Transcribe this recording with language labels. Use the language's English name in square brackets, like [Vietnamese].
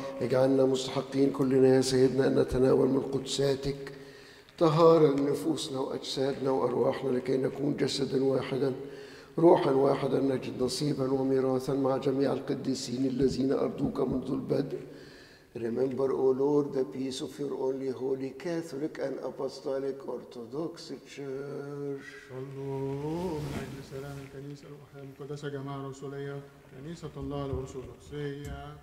[Arabic] اجعلنا مستحقين كلنا يا سيدنا أن نتناول من قدساتك طهارة نفوسنا وأجسادنا وأرواحنا لكي نكون جسدا واحدا روحا واحدا نجد نصيبا وميراثا مع جميع القديسين الذين أرضوك منذ البدء. [English] Remember, O Lord, the peace of your only holy Catholic and Apostolic Orthodox Church. [Arabic] اللهم أجل سلام الكنيسة الروحية المقدسة جماعة الرسولية كنيسة الله الأرثوذكسية.